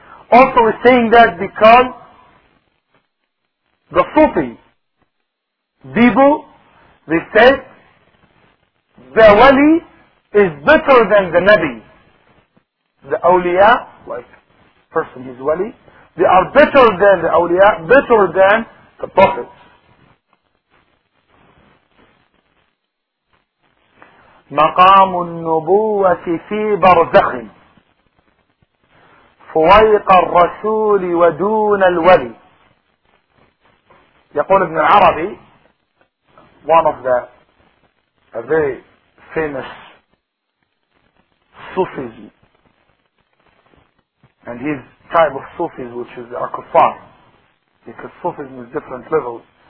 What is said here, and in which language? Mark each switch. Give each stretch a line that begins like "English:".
English: Also, we're saying that because the Sufi people, they said, the Wali is better than the Nabi. The Awliya, like person who is Wali, they are better than the Awliya, better than the Prophets.
Arabic: مقام النبوة في برزخ فويق الرسول ودون الولي. يقول ابن العربي,
English: one of the very famous Sufis, and his type of Sufis, which is the Kuffar, because Sufism is different levels.